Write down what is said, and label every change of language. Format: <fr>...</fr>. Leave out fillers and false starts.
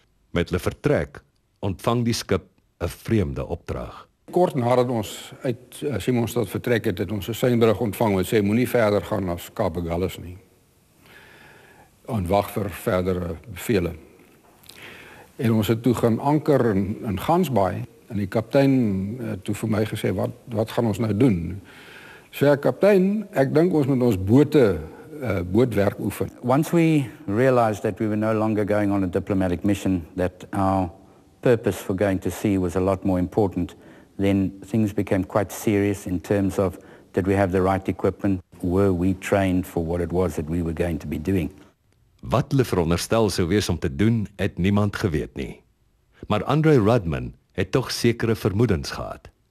<af>Met hulle vertrek ontvang die skip 'n vreemde opdrag. Kort nadat ons uit Simonstad vertrek het, het ons 'n seinbrug ontvang wat sê moenie verder gaan as Kaap Agulhas nie. En wag vir verdere bevele. En ons het toe gaan anker in Gansbaai. En die kaptein toe vir my gesê, wat gaan ons nou doen? Sê kaptein, ek dink ons moet ons bote bootwerk oefen.</af> <en>Once we realized that we were no longer going on a diplomatic mission, that our purpose for going to sea was a lot more important, then things became quite serious in terms of did we have the right equipment? Were we trained for what it was that we were going to be doing?</en> <af>Wat hulle veronderstel sou wees om te doen, het niemand geweet nie. Maar Andre Rudman het tog sekere vermoedens gehad.</af>